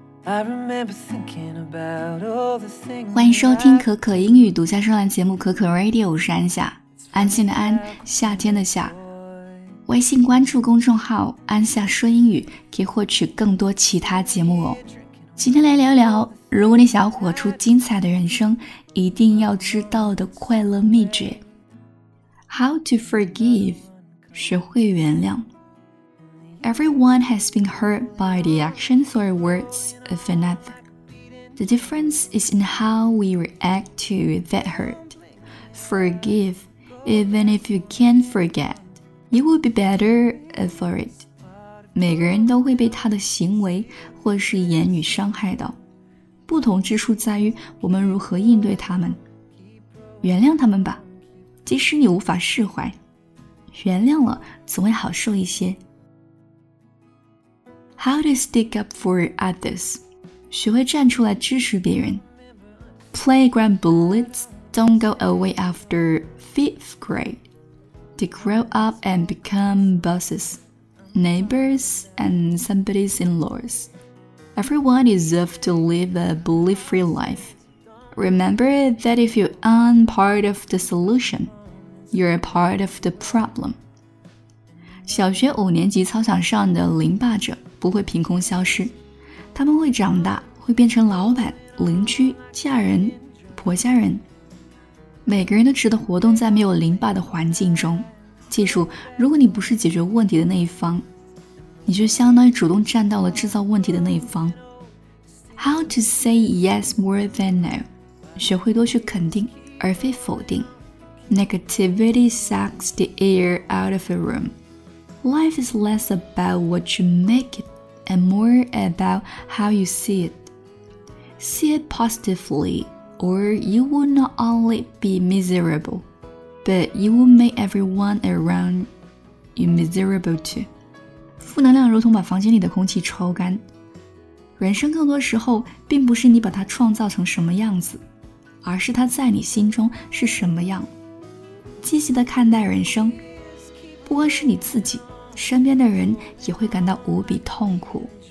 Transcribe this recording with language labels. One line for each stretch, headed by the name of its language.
Chinese: 欢迎收听可可英语独家专栏节目可可 Radio， 我是安夏，安静的安，夏天的夏。微信关注公众号安夏说英语，可以获取更多其他节目哦。今天来聊一聊，如果你想要活出精彩的人生，一定要知道的快乐秘诀。
English: How to forgive，
Chinese: 学会原谅。
English: Everyone has been hurt by the actions or words of another. The difference is in how we react to that hurt. Forgive, even if you can't forget, you will be better for it.
Chinese: 每个人都会被他的行为或是言语伤害到，不同之处在于我们如何应对他们。原谅他们吧，即使你无法释怀，原谅了总会好受一些。
English: How to stick up for others?
Chinese: 学会站出来支持别人。
English: Playground bullies don't go away after 5th grade. They grow up and become bosses, neighbors, and somebody's in-laws. Everyone deserves to live a bully-free life. Remember that if you aren't part of the solution, you're a part of the problem.
Chinese: 小学五年级操场上的零霸者不会凭空消失，他们会长大，会变成老板、邻居、家人、婆家人。每个人都值得活动在没有凌霸的环境中。记住，如果你不是解决问题的那一方，你就相当于主动站到了制造问题的那一方。
English: How to say yes more than no，
Chinese: 学会多去肯定而非否定。
English: Negativity sucks the air out of a room. Life is less about what you make it and more about how you see it. See it positively, or you will not only be miserable, but you will make everyone around you miserable too.
Chinese: 负能量如同把房间里的空气抽干。人生更多时候并不是你把它创造成什么样子，而是它在你心中是什么样。积极地看待人生，不光是你自己，身边的人也会感到无比痛苦。